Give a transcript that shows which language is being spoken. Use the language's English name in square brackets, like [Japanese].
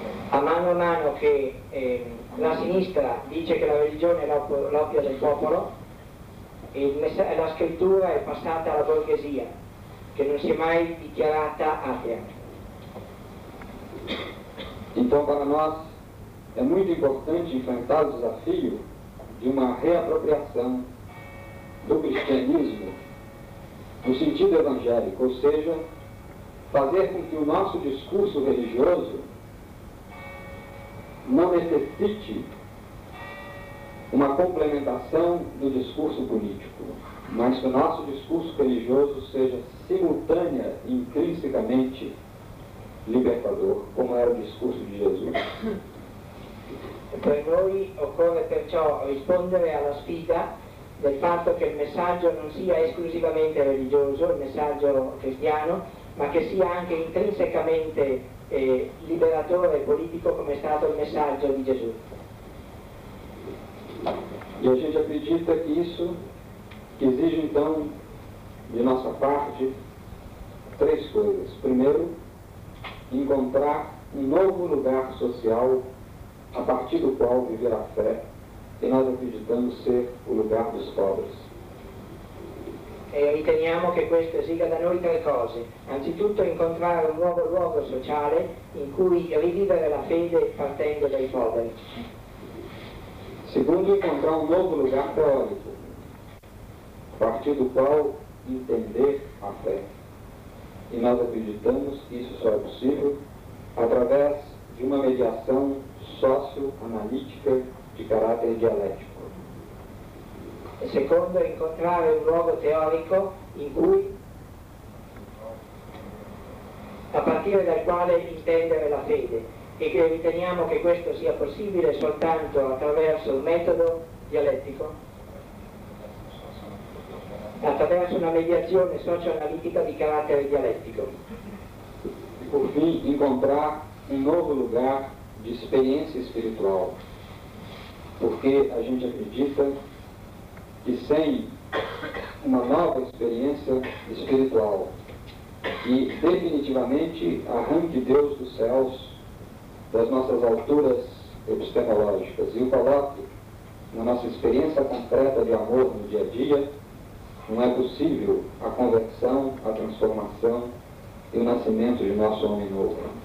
[Italian] A mano che la sinistra dice che la religione è l'oppio del popolo, e la scrittura è passata alla borghesia, che non si è mai dichiarata atea. [Portuguese] Então, para nós é muito importante enfrentar o desafio de uma reapropriação do cristianismo no sentido evangélico, ou seja, fazer com que o nosso discurso religioso não necessite uma complementação do discurso político, mas que o nosso discurso religioso seja simultânea e intrinsecamente libertador, como era o discurso de Jesus. [Italian] Per noi occorre perciò rispondere alla sfida del fatto che il messaggio non sia esclusivamente religioso, il messaggio cristiano, ma che sia anche intrinsecamente liberatore politico, come è stato il messaggio di Gesù. [Portuguese] E a gente acredita che isso esige então de nossa parte três coisas. Primeiro, encontrar um novo lugar social a partir do qual viver a fé, e nós acreditamos ser o lugar dos pobres. [Italian] E riteniamo che questo esiga da noi tre cose. Anzitutto incontrare un nuovo luogo sociale in cui rivivere la fede partendo dai poveri. [Portuguese] Secondo, incontrare un nuovo lugar teórico a partir do qual entender a fé. E nós acreditamos que isso só é possível através de uma mediação socioanalítica de caráter dialético. [Italian] E secondo, incontrare un luogo teorico in cui, a partire dal quale intendere la fede, e che riteniamo che questo sia possibile soltanto attraverso un metodo dialettico, attraverso una mediazione socioanalitica di carattere dialettico. [Portuguese] E por fim, encontrar um novo lugar de experiência espiritual, porque a gente acredita que sem uma nova experiência espiritual que definitivamente arranque Deus dos céus, das nossas alturas epistemológicas, e o coloque na nossa experiência concreta de amor no dia a dia, não é possível a conversão, a transformação e o nascimento de nosso homem novo.